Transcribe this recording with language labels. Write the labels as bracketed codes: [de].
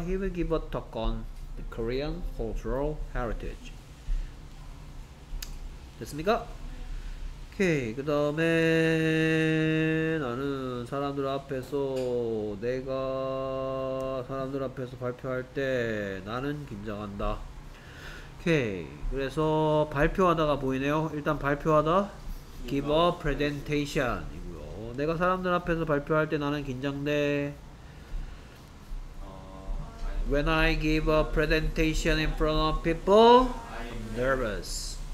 [en] He will give a talk on the Korean cultural heritage. [ko] 됐습니까? 오케이. 그 다음에 나는 사람들 앞에서 내가 사람들 앞에서 발표할 때 나는 긴장한다. 오케이. 그래서 발표하다가 보이네요. 일단 발표하다 [en] give a presentation [ko] 이고요. 내가 사람들 앞에서 발표할 때 나는 긴장돼. [en] When I give a presentation in front of people I'm nervous.